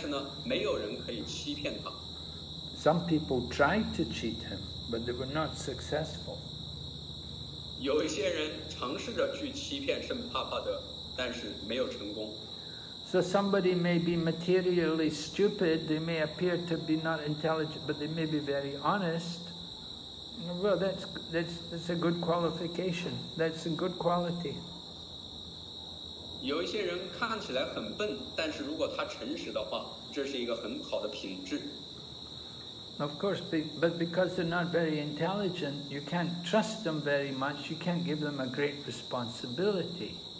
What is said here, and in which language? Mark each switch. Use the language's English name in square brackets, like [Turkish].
[Chinese] 圣帕帕的说，他虽然在从事这个协会的各种的这种琐事、各种的事务，但是呢，没有人可以欺骗他。 [English] Some people tried to cheat him, but they were not successful. [Chinese] 有一些人尝试着去欺骗圣帕帕的。 [English] So somebody may be materially stupid, they may appear to be not intelligent, but they may be very honest. Well, that's a good qualification. That's a good quality. [Chinese] 有一些人看起来很笨，但是如果他诚实的话，这是一个很好的品质。 [English] Of course, but because they're not very intelligent, you can't trust them very much, you can't give them a great responsibility.